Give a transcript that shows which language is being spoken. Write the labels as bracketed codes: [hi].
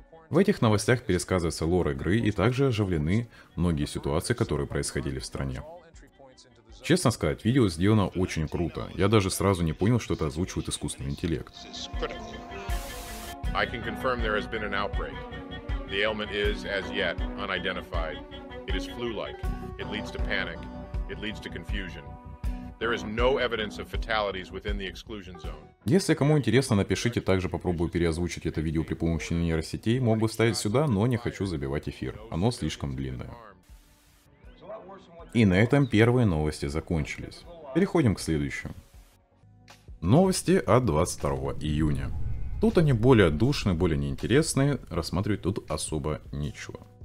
[ru] В этих новостях пересказывается лор игры и также оживлены многие ситуации, которые происходили в стране. Честно сказать, видео сделано очень круто. Я даже сразу не понял, что это озвучивает искусственный интеллект. [en] I can confirm there has been an outbreak. The ailment is, as yet, unidentified. It is flu-like. It leads to panic. It leads to confusion. There is no evidence of fatalities within the exclusion zone. [ru] Если кому интересно, напишите, также попробую переозвучить это видео при помощи нейросетей. Мог бы вставить сюда, но не хочу забивать эфир. Оно слишком длинное. И на этом первые новости закончились. Переходим к следующим. Новости от 22 июня. Тут они более душные, более неинтересные, рассматривать тут особо нечего.